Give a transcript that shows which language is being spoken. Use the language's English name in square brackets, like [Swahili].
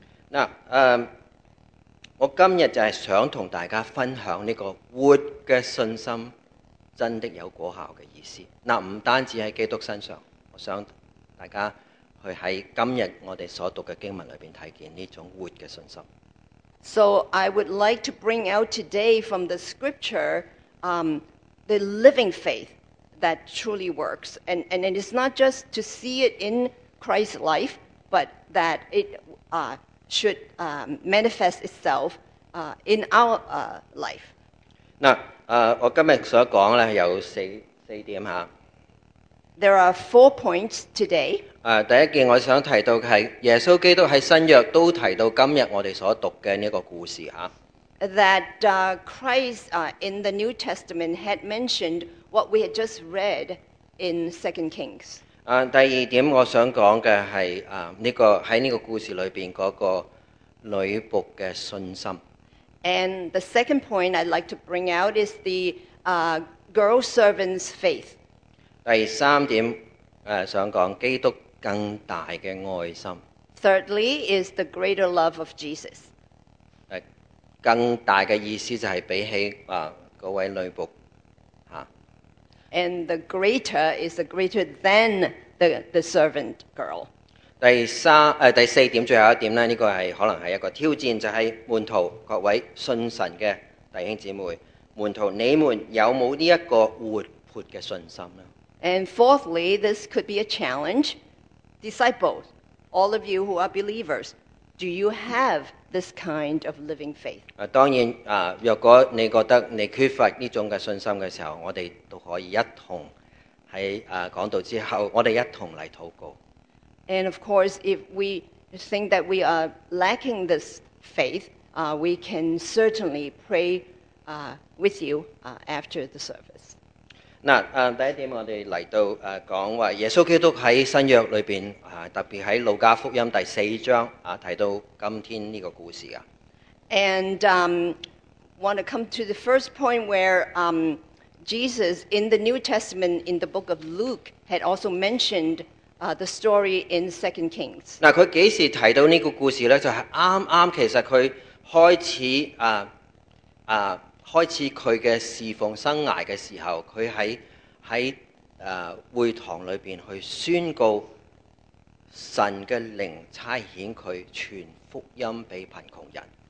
[Cantonese] Now, 我今日就系想同大家分享呢个活嘅信心真的有果效嘅意思。嗱，唔单止喺基督身上，我想大家去喺今日我哋所读嘅经文里边睇见呢种活嘅信心。 [English] So I would like to bring out today from the scripture, the living faith that truly works, and it is not just to see it in Christ's life, but that it should manifest itself in our life. [Cantonese] 嗱，我今日所讲咧有四点吓。 [English] There are four points today. [Cantonese] 第一件我想提到系耶稣基督喺新约都提到今日我哋所读嘅呢个故事吓。 [English] That Christ in the New Testament had mentioned what we had just read in 2 Kings. [Cantonese] 第二点我想讲嘅系呢个喺呢个故事里边嗰个女仆嘅信心。 [English] And the second point I'd like to bring out is the girl servant's faith. [Cantonese] 第三点想讲基督更大嘅爱心。 [English] Thirdly is the greater love of Jesus. [Cantonese] 更大嘅意思就系比起嗰位女仆吓。 [English] And the greater is the greater than the servant girl. [Cantonese] 第四点最后一点咧，呢个系可能系一个挑战，就系门徒各位信神嘅弟兄姊妹，门徒你们有冇呢一个活泼嘅信心咧？ [English] And fourthly, this could be a challenge. Disciples, all of you who are believers, do you have this kind of living faith? [Cantonese] 当然若果你觉得你缺乏呢种嘅信心嘅时候，我哋都可以一同喺讲道之后，我哋一同嚟祷告。 [English] And of course, if we think that we are lacking this faith, we can certainly pray with you after the service. [Cantonese] 嗱，第一点我哋嚟到讲话耶稣基督喺新约里边特别喺路加福音第四章提到今天呢个故事啊。 [English] And want to come to the first point where Jesus in the New Testament in the book of Luke had also mentioned. The story in 2 Kings. [Cantonese] 嗱，佢几时提到呢个故事咧？就系啱啱其实佢开始开始佢嘅侍奉生涯嘅时候，佢喺会堂里边去宣告神嘅灵差遣佢传福音俾贫穷人。